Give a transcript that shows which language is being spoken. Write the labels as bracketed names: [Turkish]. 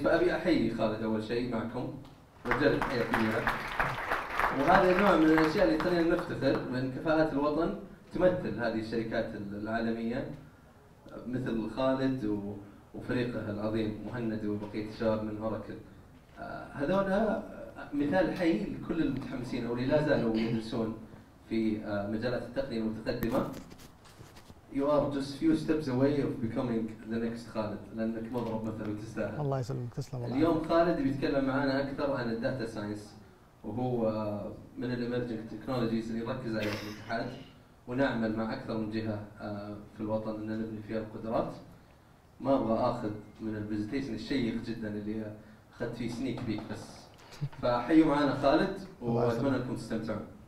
[Arabic] فأبي أحيي خالد أول شيء معكم رجال الحياة كبيرة، وهذا نوع من الأشياء اللي تخلينا نفتخر من كفاءات الوطن تمثل هذه الشركات العالمية مثل خالد وفريقه العظيم مهند وبقية الشباب من أوراكل. هذولا مثال حي لكل المتحمسين أو اللي لا زالوا يدرسون في مجالات التقنية المتقدمة. [English] You are just few steps away of becoming the next خالد، [Arabic] لأنك مضرب مثل وتستاهل. الله يسلمك، تسلم. اليوم خالد بيتكلم معنا أكثر عن الداتا ساينس، وهو من الإمرجنج تكنولوجيز اللي يركز عليها في الاتحاد، ونعمل مع أكثر من جهة في الوطن أن نبني فيها القدرات. ما أبغى أخذ من البرزنتيشن الشيق جدا اللي أخذت فيه سنيك بيك، بس فحيوا معنا خالد وأتمنى أنكم تستمتعون.